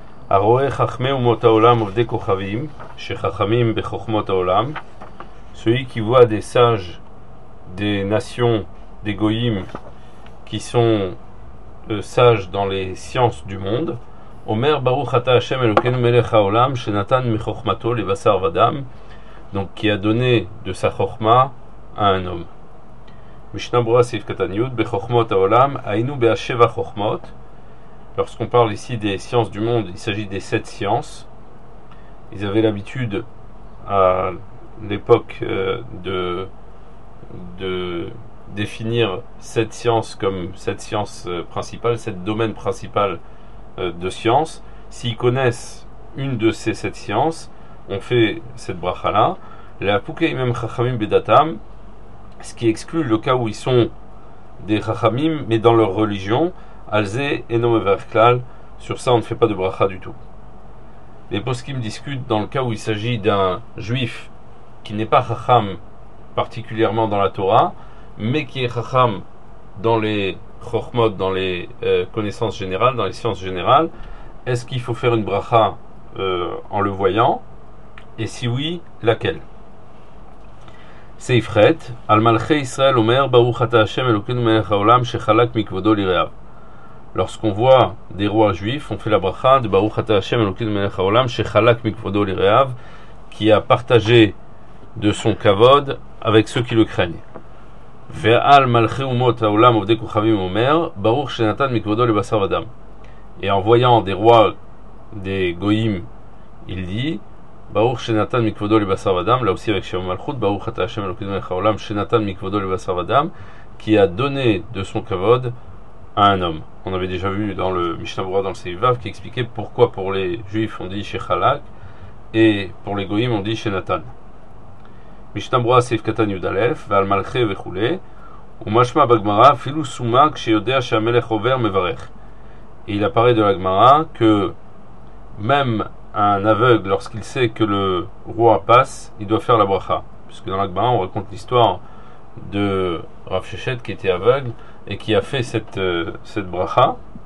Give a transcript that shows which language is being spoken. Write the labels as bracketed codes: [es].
[he] הרואה חכמי אומות העולם עובדי כוכבים שחכמים בחוכמות העולם, [fr] celui qui voit des sages des nations des goyim qui sont sages dans les sciences du monde, [he] אומר ברוך אתה השם אלוקינו מלך העולם שנתן מחוכמתו לבשר ודם, [fr] donc qui a donné de sa חוכמה à un homme. [he] משנה ברורה סעיף קטן י. בחוכמות העולם היינו בהשבע חוכמות. [fr] Lorsqu'on parle ici des sciences du monde, il s'agit des sept sciences. Ils avaient l'habitude à l'époque de définir sept sciences comme sept sciences principales, sept domaines principaux de sciences. S'ils connaissent une de ces sept sciences, on fait cette bracha-là. [he] La pukei mem chachamim bedatam, [fr] ce qui exclut le cas où ils sont des chachamim, mais dans leur religion, [he] alze enom everklal, [fr] sur ça on ne fait pas de bracha du tout. Les poskim discutent dans le cas où il s'agit d'un juif qui n'est pas chacham particulièrement dans la Torah, mais qui est chacham dans les chochmot, dans les connaissances générales, dans les sciences générales. Est-ce qu'il faut faire une bracha en le voyant? Et si oui, laquelle? [he] סעיף ח', על מלכי ישראל אומר ברוך אתה השם אלוקינו מלך העולם שחלק מכבודו לרעיו. [fr] Lorsqu'on voit des rois juifs, on fait la bracha de [he] ברוך אתה השם אלוקינו מלך העולם שחלק מכבודו לרעיו, [fr] qui a partagé de son כבוד avec ceux qui le craignent. [he] ועל מלכי אומות העולם עובדי כוכבים אומר ברוך שנתן מכבודו לבשר ודם. [fr] Et en voyant des rois, des goyim, il dit [he] ברוך שנתן מכבודו לבשר ודם, להוסיף רק שם המלכות, ברוך אתה השם אלוקינו מלך העולם שנתן מכבודו לבשר ודם, [fr] qui a donné de son כבוד à un homme. On avait déjà vu dans le Mishnah Berurah dans le Seif Vav qui expliquait pourquoi pour les juifs on dit שחלק et pour les goyim on dit שנתן. [he] Mishnah Berurah Seif Katan Yud Alef, ועל מלכי וכולי, ומשמע בגמרא אפילו סומא כשיודע שהמלך עובר מברך. [fr] Et il apparaît de la Gemara que même un aveugle, lorsqu'il sait que le roi passe, il doit faire la bracha. Puisque dans la Gemara, on raconte l'histoire de Rav Shechet qui était aveugle et qui a fait cette bracha.